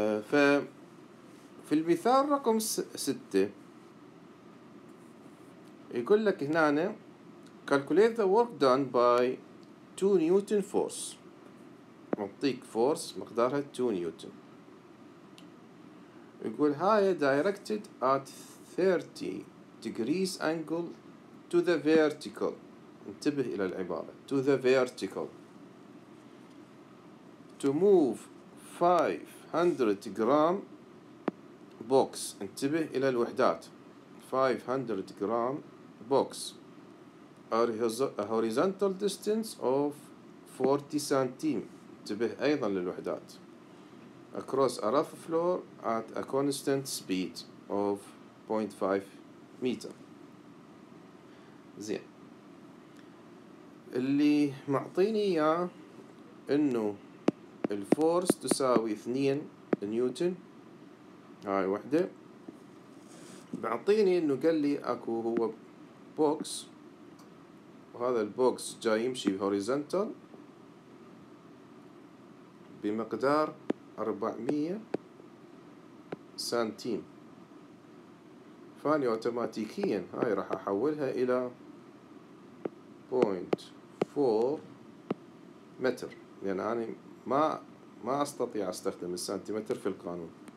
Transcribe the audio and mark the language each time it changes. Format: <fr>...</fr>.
<ar>ففي المثال رقم 6 يقول لك هنا</ar> <en>calculate the work done by 2 newton force،</en> <ar>معطيك فورس مقدارها 2 نيوتن. يقول هاي</ar> <en>directed at 30 degrees angle to the vertical.</en> <ar>انتبه إلى العبارة</ar> <en>to the vertical. To move 500 gram box.</en> <ar>انتبه إلى الوحدات</ar> <en>500 gram box. A horizontal distance of 40 centimeters.</en> <ar>انتبه أيضا للوحدات.</ar> <en>Across a rough floor at a constant speed of 0.5 meter.</en> <ar>زين، اللي معطيني إياه إنه الفورس تساوي 2 نيوتن، هاي وحدة. معطيني إنه قال لي أكو هو بوكس، وهذا البوكس جاي يمشي هوريزونتال بمقدار 400 سنتيم، فاني اوتوماتيكيا هاي راح احولها الى 0.4 متر، لان يعني انا ما استطيع استخدم السنتيمتر في القانون.</ar>